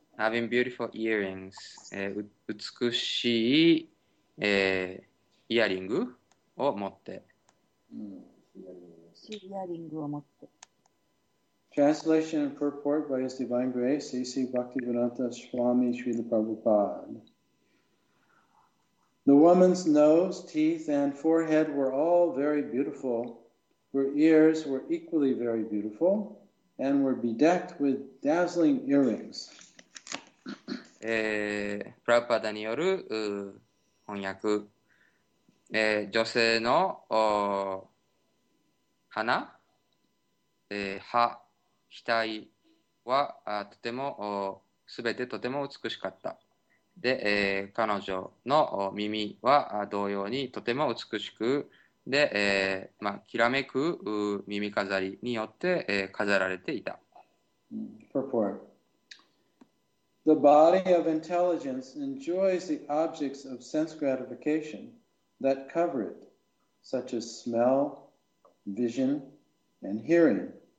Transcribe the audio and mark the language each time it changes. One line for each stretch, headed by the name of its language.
English: having beautiful earrings、
Japanese: 美しい、イヤリングを持って。シリアリングを持って。
English: Translation and purport by His Divine Grace, A.C. Bhaktivedanta Swami Srila Prabhupada. The woman's nose, teeth, and forehead were all very beautiful. Her ears were equally very beautiful and were bedecked with dazzling earrings.
Japanese: プラパダによる翻訳、女性の鼻、歯、額はとても、すべてとても美しかった。で、彼女の耳は同様にとても美しく、で、きらめく耳飾りによって、飾られていた。
English: Purport. The body of intelligence enjoys the objects of sense gratification that cover it, such as smell, vision, and hearing.